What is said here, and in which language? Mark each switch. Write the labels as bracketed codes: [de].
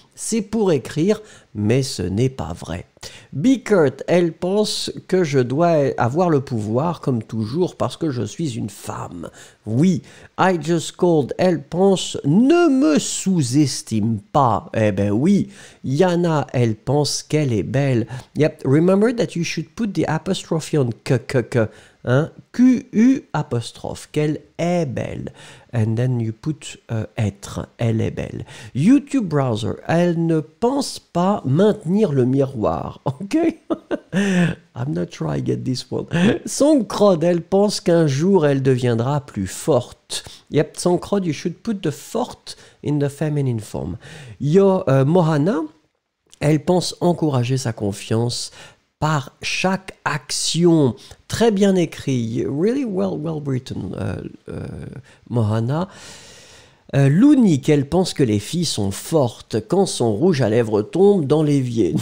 [fr] C'est pour écrire, mais ce n'est pas vrai. Bickert, elle pense que je dois avoir le pouvoir, comme toujours, parce que je suis une femme. Oui. [en] I just called, [fr] elle pense, ne me sous-estime pas. Eh ben oui. Yana, elle pense qu'elle est belle. [en] Yep, remember that you should put the apostrophe on k. [fr] Hein? Q-U apostrophe, qu'elle est belle. [en] And then you put être, [fr] elle est belle. YouTube browser, elle ne pense pas maintenir le miroir. Ok? [en] I'm not sure I get this one. [fr] Songcrod, elle pense qu'un jour elle deviendra plus forte. [en] Yep, Songcrod, you should put the forte in the feminine form. [fr] Yo, Mohana, elle pense encourager sa confiance par chaque action. Très bien écrit. [en] Really well written, [fr] Mohana. Looney, elle pense que les filles sont fortes quand son rouge à lèvres tombe dans l'évier.